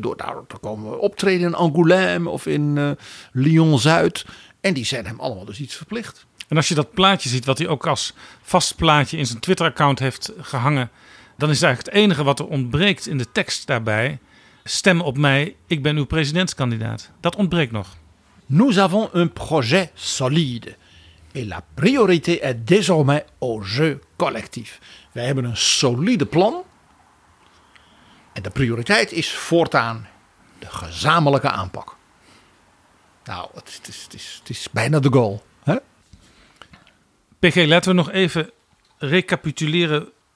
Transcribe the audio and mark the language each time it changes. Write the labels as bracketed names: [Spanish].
[Dutch] Door daar te komen optreden in Angoulême of in Lyon-Zuid. En die zijn hem allemaal dus iets verplicht. En als je dat plaatje ziet, wat hij ook als vast plaatje in zijn Twitter-account heeft gehangen, dan is eigenlijk het enige wat er ontbreekt in de tekst daarbij, stem op mij, ik ben uw presidentskandidaat. Dat ontbreekt nog. [French] Nous avons un projet solide. Et la priorité est désormais au jeu collectif. [Dutch] Wij hebben een solide plan. En de prioriteit is voortaan de gezamenlijke aanpak. Nou, het is bijna de goal. Hè? PG, laten we nog even recapituleren.